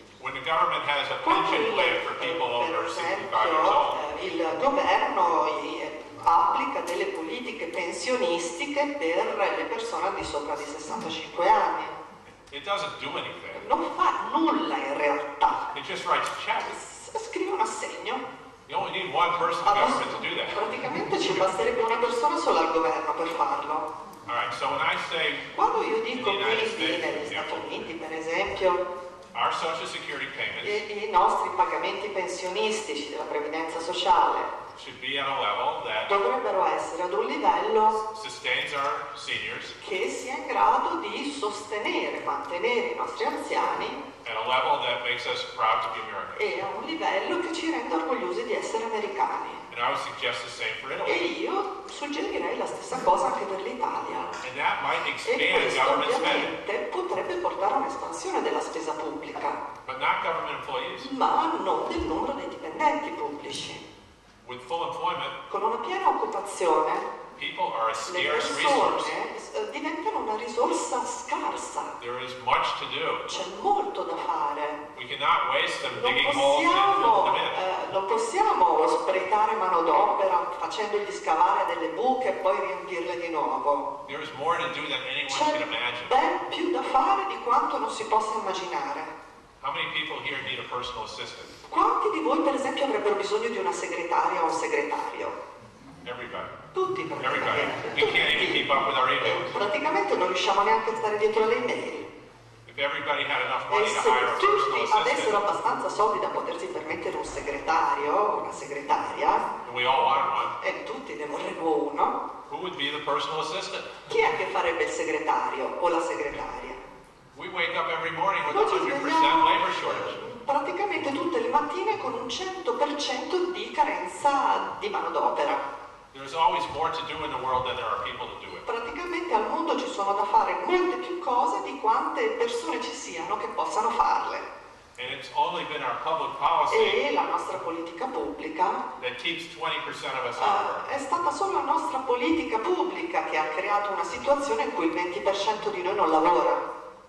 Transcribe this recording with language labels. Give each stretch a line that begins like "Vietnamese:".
English: When the government has a pension plan for people over 65 years old.
Italian: Il governo applica delle politiche pensionistiche per le persone di sopra di 65 anni.
English: It doesn't do anything.
Italian: Non fa nulla in realtà.
English: It just writes checks.
Italian: Scrive un assegno.
English: You only need one person in government to do that.
Italian: Praticamente ci basterebbe una persona sola al governo per farlo.
English: All right, so when I say
Italian: quando io dico quindi negli Stati Uniti, per esempio,
English: our social security payments
Italian: i nostri pagamenti pensionistici della previdenza sociale
English: should be at a level that
Italian: dovrebbero essere ad un livello
English: sustains our seniors
Italian: che sia in grado di sostenere, mantenere i nostri anziani
English: at a level that makes us proud to be Americans.
Italian: E a un livello che ci rende orgogliosi di essere americani.
English: And I would suggest the same for Italy.
Italian: E io suggerirei la stessa cosa anche per l'Italia.
English: And that might expand
Italian: e questo
English: government
Italian: ovviamente
English: spending.
Italian: Potrebbe portare a un'espansione della spesa pubblica.
English: But not government employees.
Italian: Ma non del numero dei dipendenti pubblici.
English: With full employment,
Italian: con una piena occupazione,
English: people are a scarce
Italian: le persone
English: resource.
Italian: Diventano una risorsa scarsa.
English: There is much to do.
Italian: C'è molto da fare.
English: We cannot waste them
Italian: lo
English: digging
Italian: possiamo,
English: holes in
Italian: lo possiamo sprecare manodopera facendogli scavare delle buche e poi riempirle di nuovo.
English: There is more to do than anyone can imagine.
Italian: Ben più da fare di quanto non si possa immaginare.
English: How many people here need a personal assistant?
Italian: Quanti di voi, per esempio, avrebbero bisogno di una segretaria o un segretario?
English: Everybody.
Italian: Tutti, praticamente.
English: Everybody.
Italian: Tutti. Praticamente non riusciamo neanche a stare dietro alle email.
English: If everybody had enough money
Italian: e se
English: to hire
Italian: tutti
English: a personal
Italian: avessero
English: assistant,
Italian: abbastanza soldi da potersi permettere un segretario o una segretaria,
English: and we all want one,
Italian: e tutti ne vorremmo uno,
English: who would be the personal assistant?
Italian: Chi è che farebbe il segretario o la segretaria?
English: We wake up every morning with a 100% labor shortage.
Italian: Praticamente tutte le mattine con un 100% di carenza di manodopera.
English: There's always more to do in the world than there are people to do it.
Italian: Praticamente al mondo ci sono da fare molte più cose di quante persone ci siano che possano farle.
English: And it's only been our public policy.
Italian: E la nostra politica pubblica
English: that keeps 20% of us
Italian: è stata solo la nostra politica pubblica che ha creato una situazione in cui il 20% di noi non lavora.